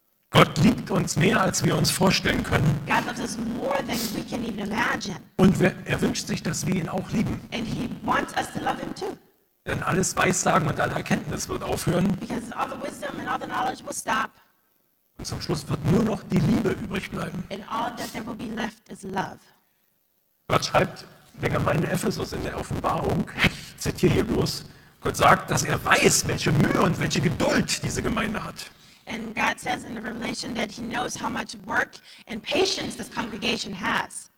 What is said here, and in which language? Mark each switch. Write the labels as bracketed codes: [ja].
[de] Gott liebt uns mehr, als wir uns vorstellen können. [en] God loves us more than we can even imagine. [de] Und er wünscht sich, dass wir ihn auch lieben. [en] And he wants us to love him too. [de] Denn alles Weissagen und alle Erkenntnis wird aufhören. [en] Because all the wisdom and all the knowledge will stop. [de] Und zum Schluss wird nur noch die Liebe übrig bleiben. [en] And all that there will be left is love. [de] Gott schreibt der Gemeinde Ephesus in der Offenbarung, ich zitiere hier bloß, Gott sagt, dass er weiß, welche Mühe und welche Geduld diese Gemeinde hat. [en] And God says in the Revelation that he knows how much work and patience this congregation has.